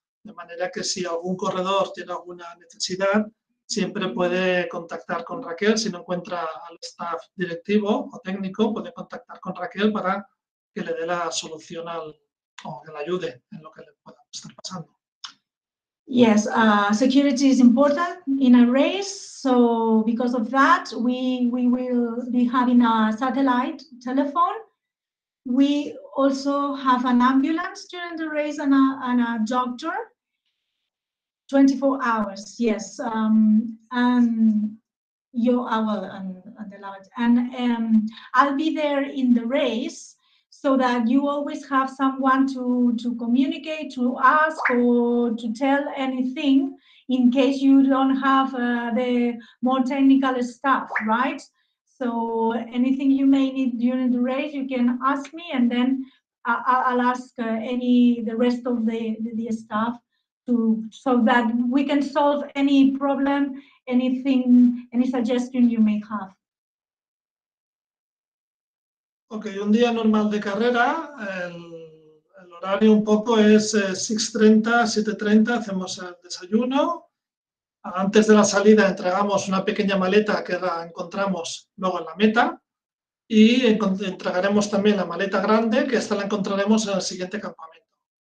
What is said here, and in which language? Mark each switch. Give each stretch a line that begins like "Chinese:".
Spanish: De manera que si algún corredor tiene alguna necesidad, siempre puede contactar con Raquel. Si no encuentra al staff directivo o técnico, puede contactar con Raquel para que le dé la solución o que le ayude en lo que le pueda estar pasando.
English: Yes, security is important in a race. So because of that, we will be having a satellite telephone. We also have an ambulance during the race and a doctor. 24 hours, yes, I'll be there in the race so that you always have someone to communicate, to ask or to tell anything in case you don't have the more technical stuff, right? So anything you may need during the race, you can ask me and then I'll ask the rest of the staff. So that we can solve any problem, anything, any suggestion you may have.
Spanish: Ok, un día normal de carrera, el horario un poco es 6:30, 7:30, hacemos el desayuno. Antes de la salida entregamos una pequeña maleta que la encontramos luego en la meta y entregaremos también la maleta grande, que esta la encontraremos en el siguiente campamento.